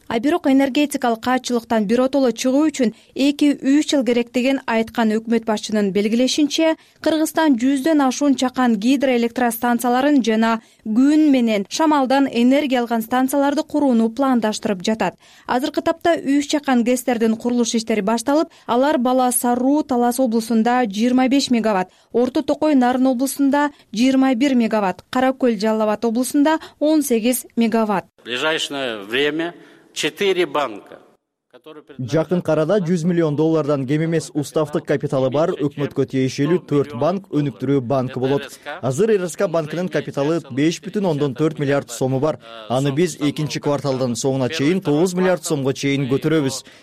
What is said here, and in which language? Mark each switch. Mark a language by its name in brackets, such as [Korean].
[Kyrgyz] А бирок энергетикалык каачылыктан биротоло чыгуу үчүн 2-3 жыл керек деген айткан өкмөт башчынын белгилешинче, Кыргызстан 100 ашуун чакан гидроэлектростанцияларын жана күн менен шамалдан энергия алган станцияларды курууну пландаштырып жатат. Азыркы тапта 3 чакан кэстердин курулуш иштери башталып, алар Баласаруу Талас облусунда 25 мегаватт, Орто Токой Нарын облусунда 21 мегаватт, Кара Көл Жалал Абад облусунда 18 мегаватт. [Russian] В ближайшее время 4 банка. [Kyrgyz] Жакын карада 100 миллион доллардан кем эмес уставтык капиталы бар өкмөткө тиешелүү 4 банк өнүктүрүү банкы болот. Азыр РСК банкынын капиталы 5,4 миллиард сому бар. Аны биз 2-чи кварталдын соңуна чейин 9 миллиард сомго чейин көтөрөбүз.